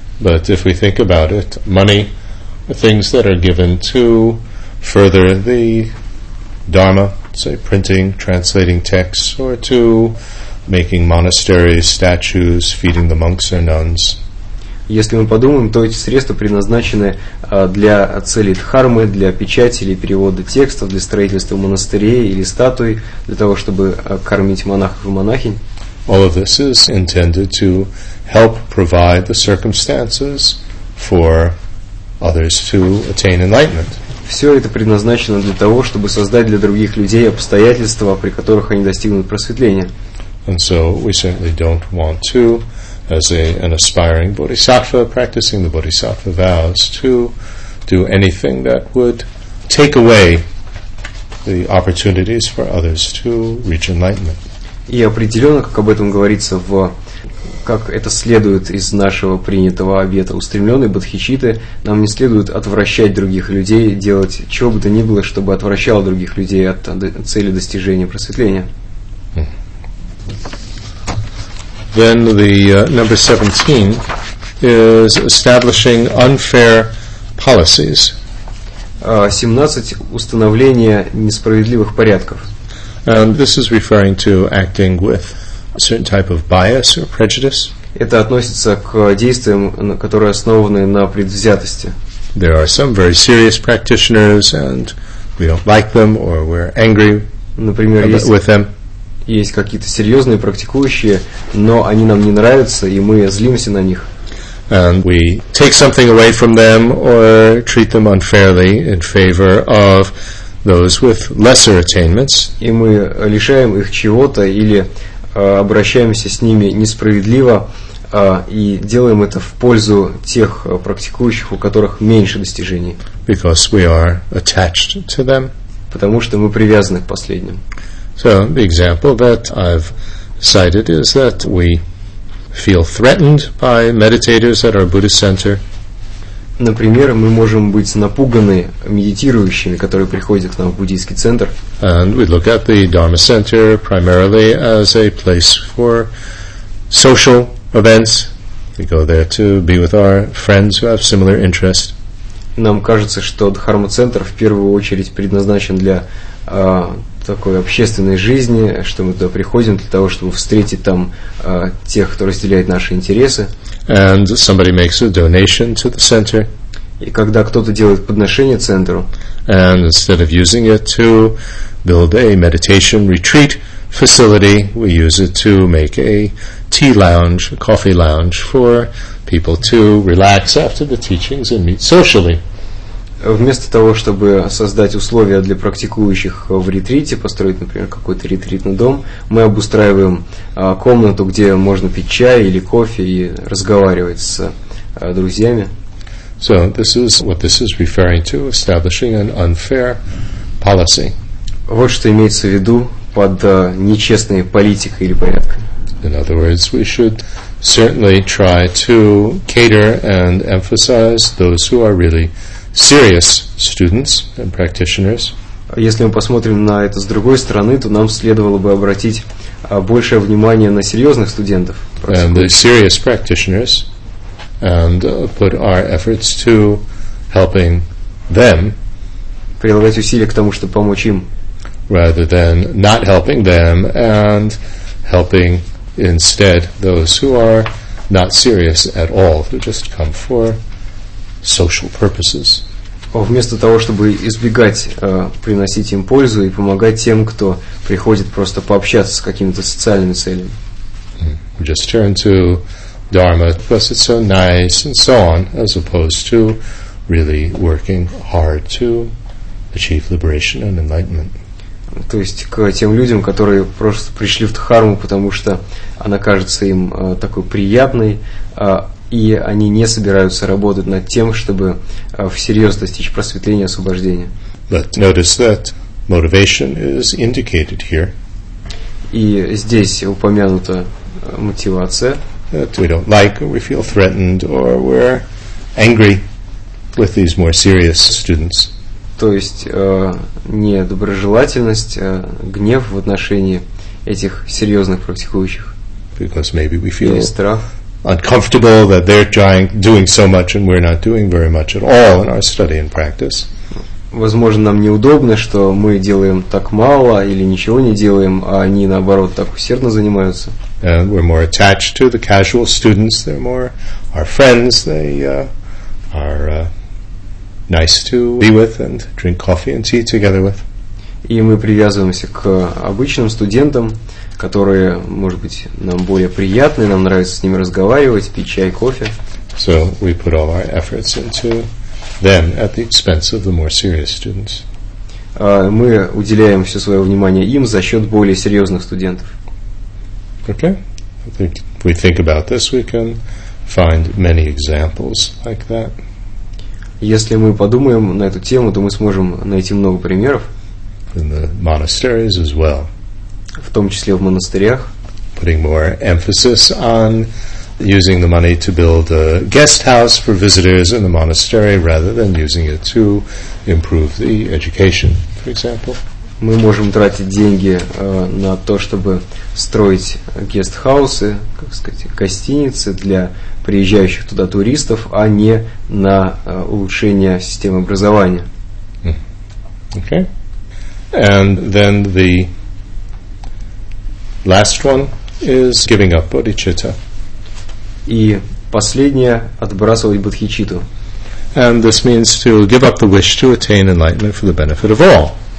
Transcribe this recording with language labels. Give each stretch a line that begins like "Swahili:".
English: But if we think about it, money, things that are given to further the Dharma, say, printing, translating texts, or to making monasteries, statues, feeding the monks or nuns.
Russian: Если мы подумаем, то эти средства предназначены для целей дхармы, для печати или перевода текстов, для строительства монастырей или статуй, для того, чтобы кормить монахов и монахинь.
English: All of this is intended to help provide the circumstances for others to attain enlightenment.
Russian: Все это предназначено для того, чтобы создать для других людей обстоятельства, при которых они достигнут просветления.
English: And so we certainly don't want to, as an aspiring bodhisattva, practicing the bodhisattva vows, to do anything that would take away the opportunities for others to reach enlightenment.
Russian: И определенно, как об этом говорится в как это следует из нашего принятого обета, устремленные бодхичитты, нам не следует отвращать других людей, делать чего бы то ни было, чтобы отвращало других людей от цели достижения просветления.
English: Then the number 17 is establishing unfair policies.
Russian: 17 установление несправедливых порядков.
English: And this is referring to acting with a certain type of bias or prejudice.
Russian: Это относится к действиям, которые основаны на предвзятости.
English: There are some very serious practitioners, and we don't like them, or we're angry with them.
Russian: Есть какие-то серьезные практикующие, но они нам не нравятся, и мы злимся на них.
English: And we take something away from them or treat them unfairly in favor of those with lesser attainments.
Russian: И мы лишаем их чего-то или обращаемся с ними несправедливо, И делаем это в пользу тех практикующих, у которых меньше достижений.
English: Because we are attached to them.
Russian: Потому что мы привязаны к последним.
English: So the example that I've cited is that we feel threatened by meditators at our Buddhist center.
Russian: Например, мы можем быть напуганы медитирующими, которые приходят к нам в буддийский центр.
English: And we look at the Dharma center primarily as a place for social events. We go there to be with our friends who have similar interests.
Russian: Нам кажется, что Дхарма-центр в первую очередь предназначен для такой общественной жизни, что мы туда приходим для того, чтобы встретить там тех, кто разделяет наши интересы.
English: And somebody makes a donation to the center.
Russian: И когда кто-то делает подношение центру,
English: and instead of using it to build a meditation retreat facility, we use it to make a tea lounge, a coffee lounge for people to relax after the teachings and meet socially.
Russian: Вместо того, чтобы создать условия для практикующих в ретрите, построить, например, какой-то ретритный дом, мы обустраиваем комнату, где можно пить чай или кофе и разговаривать с друзьями.
English: So this is what this is referring to, establishing an unfair policy.
Russian: Вот что имеется в виду под нечестной политикой или порядком.
English: In other words, we should certainly try to cater and emphasize those who are really serious students and practitioners.
Russian: Если мы посмотрим на это с другой стороны, то нам следовало бы обратить большее внимание на серьезных студентов.
English: And the serious practitioners, and put our efforts to helping them.
Russian: Прилагать усилия к тому, чтобы помочь им.
English: Rather than not helping them and helping instead those who are not serious at all, who just come for social purposes.
Russian: Вместо того, чтобы избегать приносить им пользу и помогать тем, кто приходит просто пообщаться с какими-то социальными целями.
English: Just turn to Dharma because it's so nice and so on, as opposed to really working hard to achieve liberation and enlightenment.
Russian: То есть к тем людям, которые просто пришли в Дхарму, потому что она кажется им такой приятной, и они не собираются работать над тем, чтобы всерьез достичь просветления и освобождения.
English: But notice that motivation is indicated here.
Russian: И здесь упомянута мотивация.
English: That we don't like, or we feel threatened, or we're angry with these more serious students.
Russian: То есть недоброжелательность, гнев в отношении этих серьезных практикующих.
English: Because maybe we feel
Russian: или страх.
English: Uncomfortable that they're doing so much and we're not doing very much at all in our study and practice.
Russian: Возможно, нам неудобно, что мы делаем так мало или ничего не делаем, а они наоборот так усердно занимаются.
English: And we're more attached to the casual students. They're more our friends. They are nice to be with and drink coffee and tea together with.
Russian: И мы привязываемся к обычным студентам, которые, может быть, нам более приятны, нам нравится с ними разговаривать, пить чай, кофе.
English: So we put all our efforts into them at the expense of the more serious students.
Russian: Мы уделяем все свое внимание им за счет более серьезных студентов.
English: Okay. I think if we think about this, we can find many examples like that.
Russian: Если мы подумаем на эту тему, то мы сможем найти много примеров.
English: In the monasteries as well.
Russian: В том числе в монастырях.
English: Putting more emphasis on using the money to build a guest house for visitors in the monastery rather than using it to improve the education, for example.
Russian: Мы можем тратить деньги на то, чтобы строить гест-хаусы, как сказать, гостиницы для приезжающих туда туристов, а не на улучшение системы образования.
English: Okay. And then the last one is giving up bodhicitta.
Russian: И последнее – отбрасывать бодхичитту.
English: And this means to give up the wish to attain enlightenment for the benefit of all.